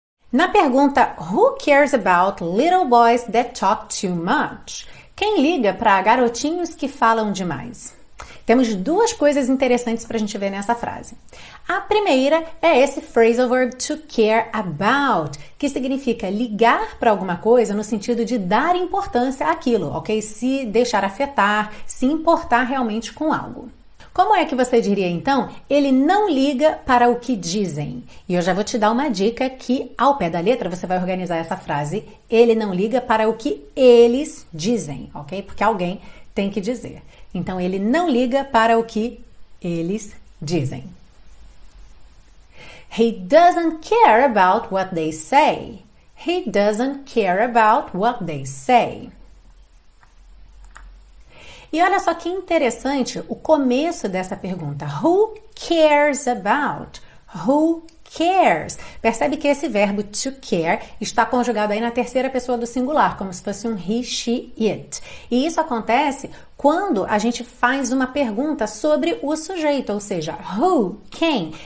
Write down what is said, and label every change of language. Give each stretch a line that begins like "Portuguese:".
Portuguese: Na pergunta
English: Who cares about little boys that talk too much?
Portuguese: Quem liga para garotinhos que falam demais? Temos duas coisas interessantes para a gente ver nessa frase. A primeira é esse phrasal verb to care about, que significa ligar para alguma coisa no sentido de dar importância àquilo, ok? Se deixar afetar, se importar realmente com algo. Como é que você diria, então, ele não liga para o que dizem? E eu já vou te dar uma dica que, ao pé da letra, você vai organizar essa frase, ele não liga para o que eles dizem, ok? Porque alguém tem que dizer. Então, ele não liga para o que eles dizem.
English: He doesn't care about what they say. He doesn't care about what they say.
Portuguese: E olha só que interessante o começo dessa pergunta.
English: Who cares about? Who cares?
Portuguese: Percebe que esse verbo to care está conjugado aí na terceira pessoa do singular, como se fosse um he, she, it. E isso acontece quando a gente faz uma pergunta sobre o sujeito, ou seja, who, quem.